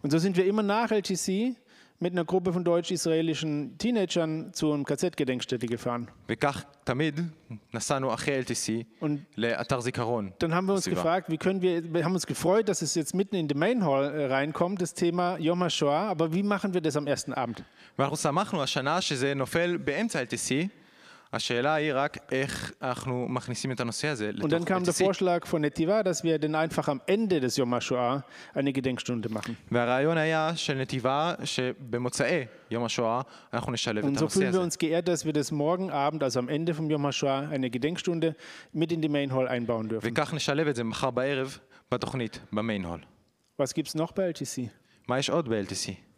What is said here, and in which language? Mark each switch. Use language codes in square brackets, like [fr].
[de] Und so sind wir immer nach LTC mit einer Gruppe von deutsch-israelischen Teenagern zu einem KZ-Gedenkstätte gefahren. [he] וכך תמיד נסענו אחרי LTC לאתר זיכרון. [de] Dann haben wir uns gefragt, wie können wir haben uns gefreut, dass es jetzt mitten in the Main Hall reinkommt, das Thema Yom HaShoah, aber wie machen wir das am ersten Abend? [he] ואנחנו שמחנו השנה שזה נופל באמצע LTC, השאלה היא רק איך אנחנו מכניסים את הנושא הזה לתוך LTC. [de] Und dann kam der Vorschlag von Netiva, dass wir denn einfach am Ende des Yom HaShoah eine Gedenkstunde machen. [he] והרעיון היה של נתיבה שבמוצאי יום השואה אנחנו נשלב את הנושא הזה. [de] Und so fühlen wir uns geehrt, dass wir das morgen Abend, also am Ende vom Yom HaShoah, eine Gedenkstunde mit in die Main Hall einbauen dürfen. [he] וכך נשלב את זה מחר בערב בתוכנית, במיין הול. [de] Was gibt's noch bei LTC? [he] מה יש עוד ב-LTC?